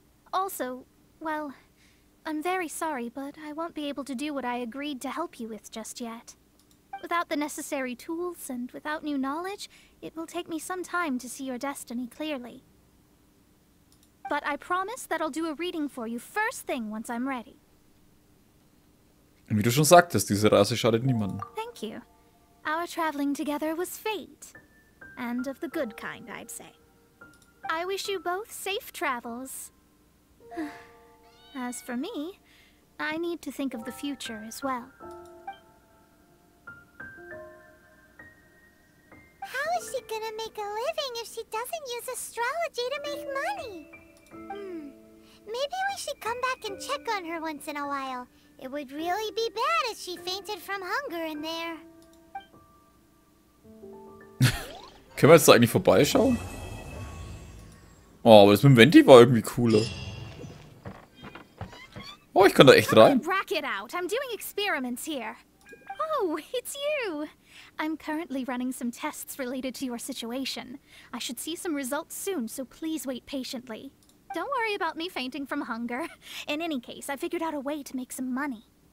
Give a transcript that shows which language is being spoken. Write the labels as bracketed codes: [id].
[en] Also, well, I'm very sorry, but I won't be able to do what I agreed to help you with just yet. Without the necessary tools and without new knowledge, it will take me some time to see your destiny clearly. But I promise that I'll do a reading for you first thing once I'm ready. [de] Wie du schon sagtest, diese Reise schadet niemandem. [en] Thank you. Our traveling together was fate. And of the good kind, I'd say. I wish you both safe travels. As for me, I need to think of the future as well. How is she gonna make a living if she doesn't use astrology to make money? Maybe we should come back and check on her once in a while. It would really be bad if she fainted from hunger in there. [de] Können wir jetzt da eigentlich vorbeischauen? Oh, aber das mit dem Venti war irgendwie cooler. Oh, ich kann da echt rein. [en] Bracket out. I'm doing experiments here. Oh, it's you. I'm currently running some tests related to your situation. I should see some results soon, so please wait patiently. Don't worry about me fainting from hunger. In any case, I figured out a way to make some money.